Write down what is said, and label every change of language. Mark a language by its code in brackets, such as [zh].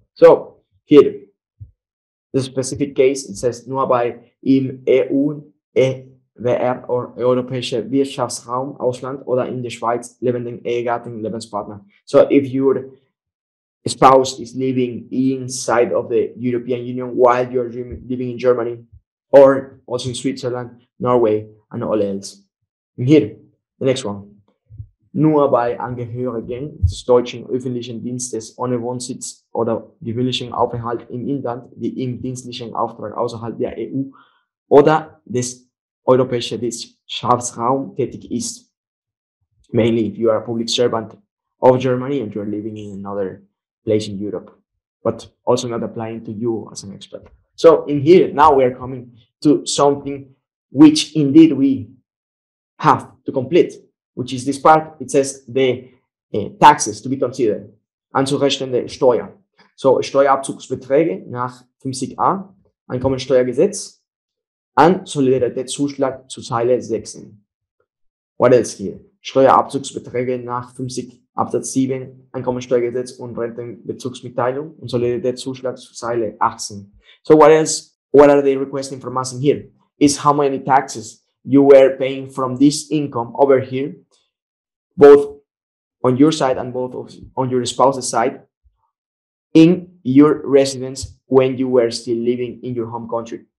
[en] So here, the specific case, it says [de] nur bei im EU, EWR or Europäische Wirtschaftsraum Ausland oder in der Schweiz lebenden Ehegatten Lebenspartner. [en] So if your spouse is living inside of the European Union while you're living in Germany or also in Switzerland, Norway and all else. And here, the next one. [de] Nur bei Angehörigen des deutschen öffentlichen Dienstes ohne Wohnsitz oder gewöhnlichen Aufenthalt im Inland, die im dienstlichen Auftrag außerhalb der EU oder des europäischen Wirtschaftsraums tätig ist. [en] Mainly if you are a public servant of Germany and you are living in another place in Europe, but also not applying to you as an expat. So in here, now we are coming to something which indeed we have to complete, which is this part. It says the taxes to be considered. [de] Anzurechnende Steuer. So Steuerabzugsbeträge nach 50a Einkommensteuergesetz an Solidaritätszuschlag zu Zeile 16. [en] What else here? [de] Steuerabzugsbeträge nach 50 Absatz 7 Einkommensteuergesetz und Rentenbezugsmitteilung und Solidaritätszuschlag zu Zeile 18. [en] So what else? What are they requesting from us in here? Is how many taxes you were paying from this income over here, both on your side and both on your spouse's side, in your residence when you were still living in your home country.